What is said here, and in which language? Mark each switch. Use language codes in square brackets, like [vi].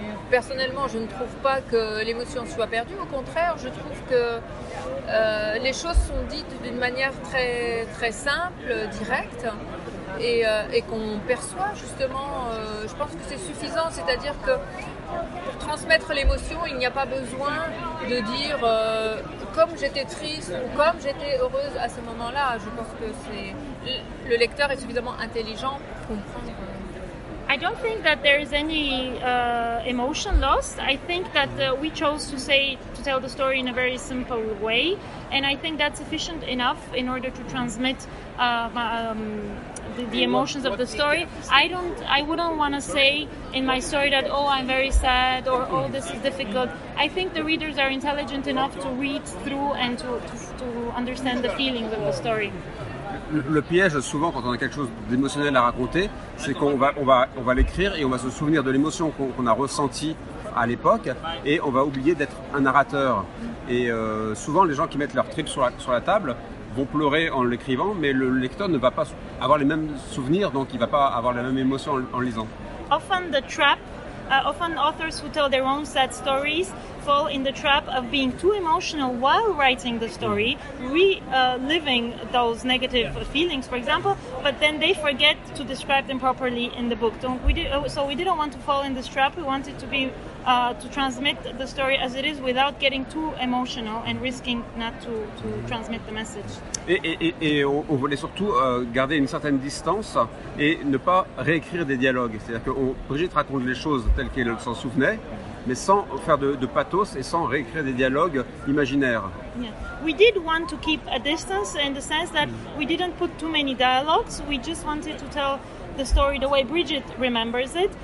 [fr] Personnellement, je ne trouve pas que l'émotion soit perdue. Au contraire, je trouve que les choses sont dites d'une manière très, très simple, directe, et qu'on perçoit justement, je pense que c'est suffisant. C'est-à-dire que pour transmettre l'émotion, il n'y a pas besoin de dire comme j'étais triste ou comme j'étais heureuse à ce moment-là. Je pense que c'est le lecteur est suffisamment intelligent pour comprendre. [en] I don't think that there is any emotion lost. I think that we chose to say to tell the story in a very simple way, and I think that's efficient enough in order to transmit the emotions of the story. I wouldn't want to say in my story that oh, I'm very sad or oh, this is difficult. I think the readers are intelligent enough to read through and to understand the feelings of the story. [fr] Le piège, souvent, quand on a quelque chose d'émotionnel à raconter, c'est qu'on va l'écrire et on va se souvenir de l'émotion qu'on a ressentie à l'époque et on va oublier d'être un narrateur. Et souvent, les gens qui mettent leur trip sur la table vont pleurer en l'écrivant, mais le lecteur ne va pas avoir les mêmes souvenirs, donc il va pas avoir la même émotion en lisant. [en] Often the trap, often authors who tell their own sad stories fall in the trap of being too emotional while writing the story, reliving those negative feelings, for example, but then they forget to describe them properly in the book. So we didn't want to fall in this trap. We wanted to be to transmit the story as it is without getting too emotional and risking not to transmit the message. [fr] Et on voulait surtout garder une certaine distance et ne pas réécrire des dialogues. C'est-à-dire que Brigitte raconte les choses telles qu'elle s'en souvenait, mais sans faire de pathos et sans réécrire des dialogues imaginaires. [en] Yeah. We did want to keep a distance in the sense that we didn't put too many dialogues. We just wanted to tell the story the way Brigitte remembers it.